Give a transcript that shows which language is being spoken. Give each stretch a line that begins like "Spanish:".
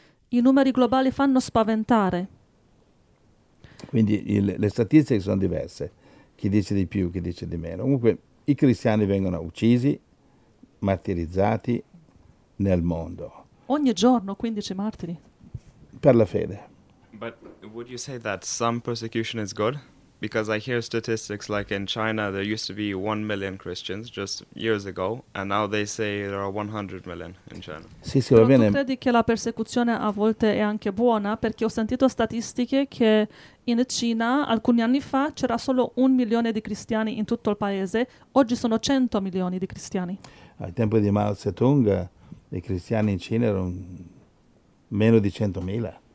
Italian: I numeri globali fanno spaventare. Quindi le statistiche sono diverse. Chi dice di più, chi dice di meno. Comunque i cristiani vengono uccisi, martirizzati nel mondo. Ogni giorno 15 martiri. Per la fede.
English: But would you say that some persecution is good? Because I hear statistics like in China there used to be 1 million Christians just years ago and now they say there are 100 million in China.
Italian: Sì, sì, va bene. Tu credi che la persecuzione a volte è anche buona? Perché ho sentito statistiche che in Cina alcuni anni fa c'era solo 1 milione di cristiani in tutto il paese, oggi sono 100 milioni di cristiani. Al tempo di Mao Zedong i cristiani in Cina erano meno di 100.000.